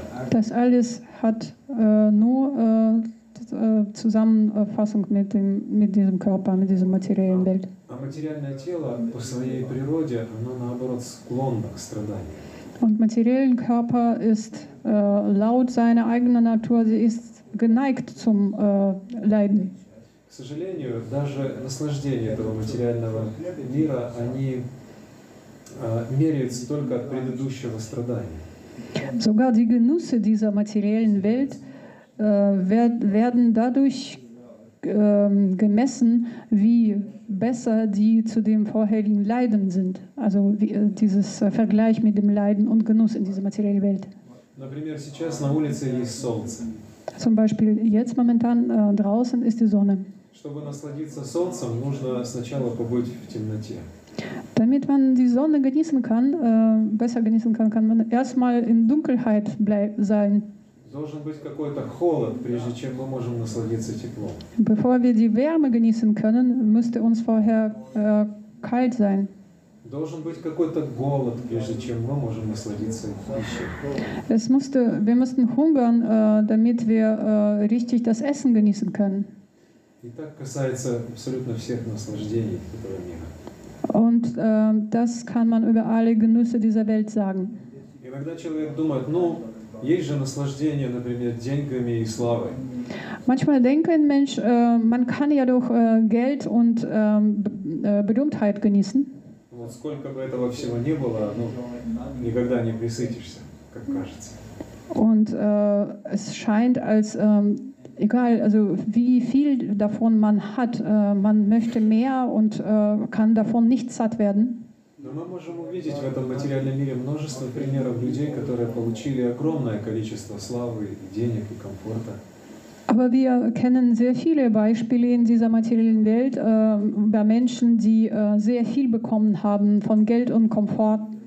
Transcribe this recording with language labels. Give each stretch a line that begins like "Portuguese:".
German: Das alles hat nur Zusammenfassung mit diesem Körper, mit dieser materiellen Welt. Und materiellen Körper ist laut seiner eigenen Natur, sie ist geneigt zum Leiden.
Russian: К сожалению, даже наслаждение этого материального мира, они меряются только от предыдущего страдания.
German: Sogar die Genüsse dieser materiellen Welt werden dadurch gemessen, wie besser die zu dem vorherigen Leiden sind. Also dieses Vergleich mit dem Leiden und Genuss in dieser materiellen Welt.
Russian: Например, сейчас на улице есть солнце.
German: Zum Beispiel jetzt momentan draußen ist die Sonne.
Russian: Чтобы насладиться солнцем, нужно сначала побыть в темноте.
German: Damit man die Sonne genießen kann, besser genießen kann, kann man erstmal in Dunkelheit sein.
Russian: Должен быть какой-то холод, прежде чем мы можем насладиться теплом.
German: Bevor wir die Wärme genießen können, müsste uns vorher kalt sein.
Russian: Должен быть какой-то голод, прежде чем мы можем насладиться пищей.
German: Es musste, wir mussten hungern, damit wir richtig das Essen genießen können.
Russian: И так касается абсолютно всех наслаждений этого мира.
German: Und das kann man über alle Genüsse dieser Welt sagen.
Russian: Иногда человек думает, ну, есть же наслаждение, например, деньгами и славой.
German: Manchmal denkt ein Mensch, man kann ja doch Geld und Berühmtheit genießen.
Russian: Вот сколько бы этого всего ни было, ну, никогда не присытишься, как кажется.
German: Und es scheint als egal, also wie viel davon man hat, man möchte mehr und kann davon nicht satt werden.
Russian: Но мы можем увидеть в этом материальном мире множество примеров людей, которые получили огромное количество славы, денег и комфорта.
German: Aber wir kennen sehr viele Beispiele in dieser materiellen Welt bei Menschen, die sehr viel bekommen haben von Geld und Komfort.